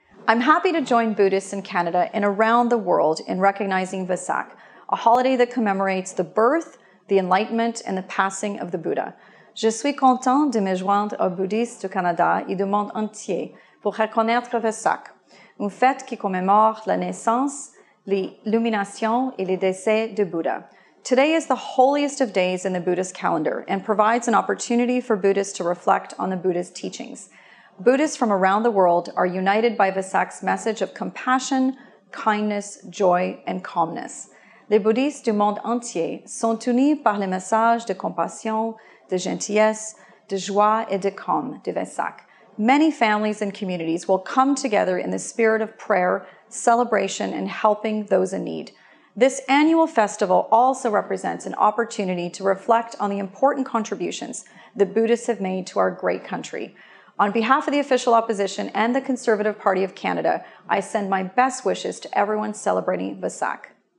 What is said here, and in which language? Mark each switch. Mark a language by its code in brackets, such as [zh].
[en] I'm happy to join Buddhists in Canada and around the world in recognizing Vesak, a holiday that commemorates the birth, the enlightenment, and the passing of the Buddha. [fr] Je suis content de me joindre aux Buddhistes du Canada et du monde entier pour reconnaître Vesak, une fête qui commémore la naissance, l'illumination et les décès de Bouddha. [en] Today is the holiest of days in the Buddhist calendar and provides an opportunity for Buddhists to reflect on the Buddha's teachings. Buddhists from around the world are united by Vesak's message of compassion, kindness, joy, and calmness. [fr] Les Bouddhistes du monde entier sont unis par le message de compassion, de gentillesse, de joie et de calme de Vesak. [en] Many families and communities will come together in the spirit of prayer, celebration, and helping those in need. This annual festival also represents an opportunity to reflect on the important contributions the Buddhists have made to our great country. On behalf of the official opposition and the Conservative Party of Canada, I send my best wishes to everyone celebrating Vesak.